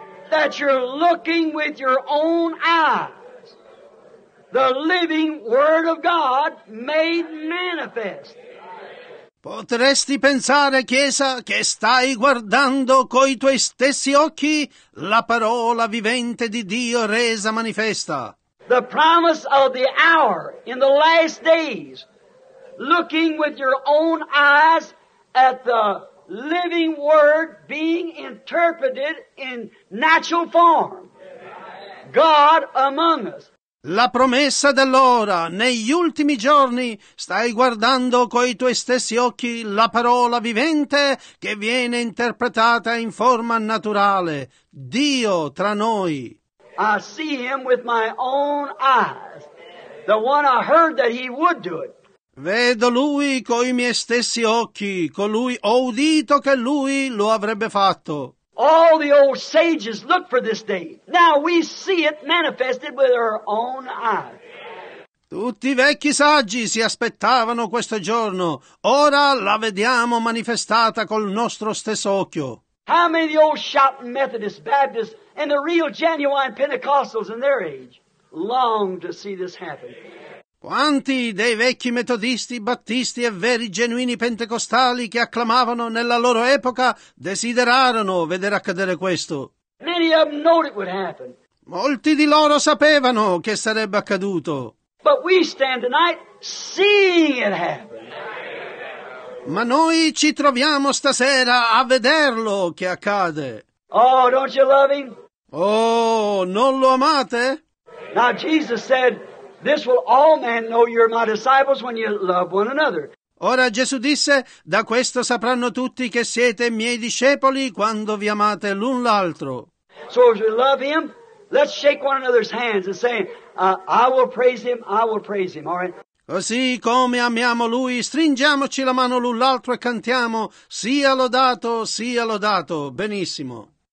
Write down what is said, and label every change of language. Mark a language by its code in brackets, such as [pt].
[en] That you're looking with your own eyes, the living Word of God made manifest. [it] Potresti pensare, Chiesa, che stai guardando coi tuoi stessi occhi la parola vivente di Dio resa manifesta. [en] The promise of the hour in the last days, looking with your own eyes at the living word being interpreted in natural form. God among us. [it] La promessa dell'ora, negli ultimi giorni, stai guardando coi tuoi stessi occhi la parola vivente che viene interpretata in forma naturale. Dio tra noi. [en] I see him with my own eyes. The one I heard that he would do it. [it] Vedo lui coi miei stessi occhi, colui ho udito che lui lo avrebbe fatto. [en] All the old sages look for this day. Now we see it manifested with our own eyes. [it] Tutti i vecchi saggi si aspettavano questo giorno. Ora la vediamo manifestata col nostro stesso occhio. [en] How many old shouting Methodists, Baptists, and the real genuine Pentecostals in their age? long to see this happen. [it] Quanti dei vecchi metodisti, battisti e veri genuini pentecostali che acclamavano nella loro epoca desiderarono vedere accadere questo. [en] Many of them knew it would happen. [it] Molti di loro sapevano che sarebbe accaduto. [en] But we stand tonight seeing it happen. [it] Ma noi ci troviamo stasera a vederlo che accade. [en] Oh, don't you love him? [it] Oh, non lo amate? [en] Now Jesus said, "This will all men know you're my disciples when you love one another." [it] Ora Gesù disse, "Da questo sapranno tutti che siete miei discepoli quando vi amate l'un l'altro." [en] So if you love him, let's shake one another's hands and say, "I will praise him, I will praise him." All right? [it] Così come amiamo lui, stringiamoci la mano l'un l'altro e cantiamo, sia lodato, benissimo.